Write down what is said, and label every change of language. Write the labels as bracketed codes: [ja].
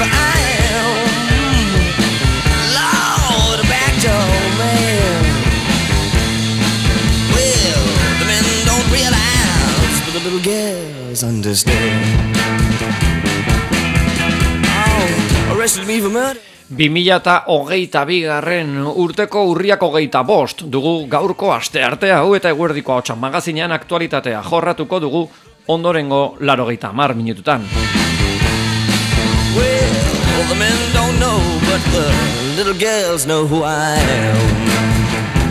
[en] I am Lord, a backdoor man. Well, the men don't realize, but the little girls understand. Oh, arrested me for murder. [eu] 2022 urteko urriak 25 dugu gaurko aste artea hau eta eguerdiko ahotsa magazinean aktualitatea jorratuko dugu ondorengo 80 minututan. [en] Well, the men don't know, but the little girls know who I am.